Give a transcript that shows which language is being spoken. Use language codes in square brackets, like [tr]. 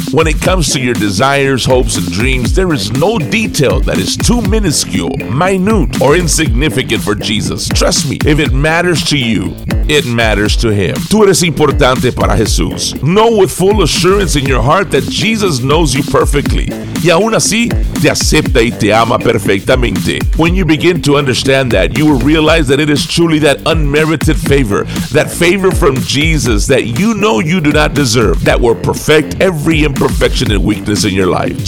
[en] When it comes to your desires, hopes, and dreams, there is no detail that is too minuscule, minute, or insignificant for Jesus. Trust me, if it matters to you, it matters to Him. [es] Tú eres importante para Jesús. [en] Know with full assurance in your heart that Jesus knows you perfectly. [es] Y aún así, te acepta y te ama perfectamente. [en] When you begin to understand that, you will realize that it is truly that unmerited favor, that favor from Jesus that you know you do not deserve, that will perfect every imperfection and weakness in your life.